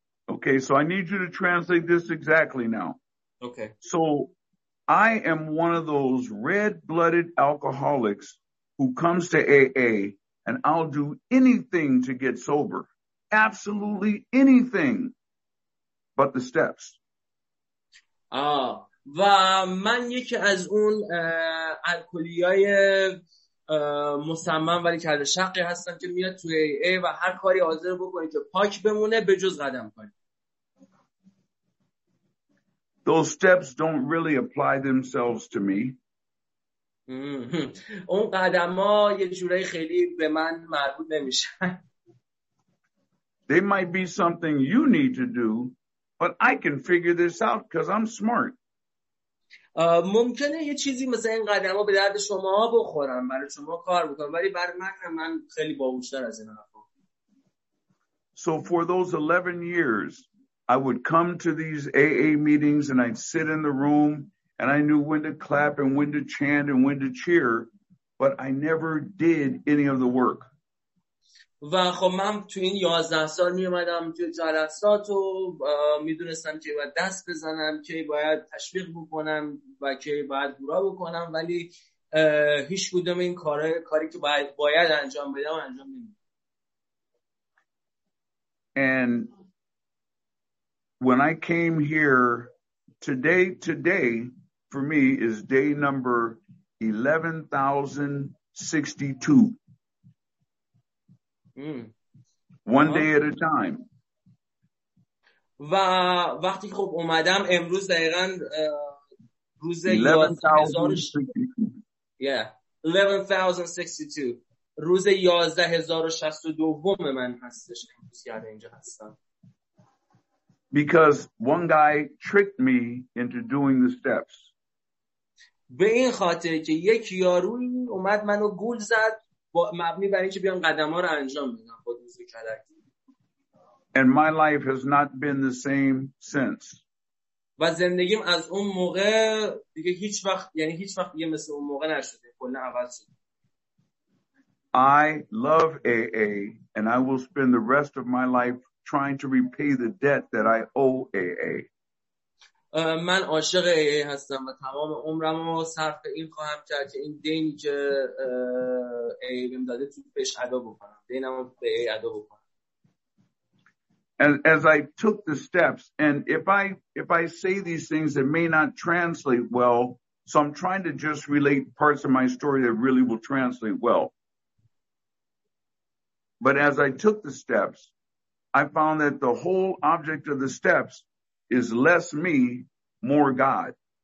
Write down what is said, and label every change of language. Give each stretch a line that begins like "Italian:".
English: Okay, so I need you to translate this exactly now. Okay. So I am one of those red-blooded alcoholics who comes to AA, and I'll do anything to get sober, absolutely anything, but the steps.
Persian: و من یکی از اون الکلیای مصمم ولی کله شقی هستم که میاد تو AA و هر کاری حاضر بکنه که پاک بمونه به جز قدم کنه.
English: Those steps don't really apply themselves to me.
Persian: اون قدم ها یه جوره خیلی به من مربوط نمیشن.
English: They might be something you need to do, but I can figure this out because I'm smart.
Persian: ممکنه یه چیزی مثل این قدم ها به درد شما بخورن، برای شما کار بکنم، ولی برای من خیلی باهوش‌تر از این هم.
English: So for those 11 years, I would come to these AA meetings and I'd sit in the room and I knew when to clap and when to chant and when to cheer, but I never did any of the work.
Persian: و خب من تو این 11 سال می اومدم تو جلسات و میدونستم که باید دست بزنم، که باید تشویق بکنم و که باید هورا بکنم، ولی هیچ کدوم این کاری که باید انجام بدم انجام نمیدم.
English: And when I came here today for me is day number 11062. One day at a time.
Persian: و وقتی خب اومدم امروز دقیقاً روز 11062. روز 11062 من هستش امروز، یاد اینجا هستم.
English: Because one guy tricked me into doing the steps.
Persian: به این خاطر که یک یاروی اومد منو گول زد با مبنی بر اینکه بیام قدم‌ها رو انجام بدم با دوز کلک.
English: And my life has not been the same since.
Persian: و زندگیم از اون موقع دیگه هیچ وقت، یعنی هیچ وقت دیگه مثل اون موقع نشده، کلا عوض شد.
English: I love AA and I will spend the rest of my life trying to repay the debt that I owe AA.
Persian: من عاشق AA هستم و تمام عمرم رو صرف این خواهم کرد که این دینی که AA بهم داده تو پیش ادا بکنم. دینم رو به AA ادا بکنم.
English: And as I took the steps, and if I say these things that may not translate well, so I'm trying to just relate parts of my story that really will translate well. But as I took the steps, I found that the whole object of the steps is less me, more God.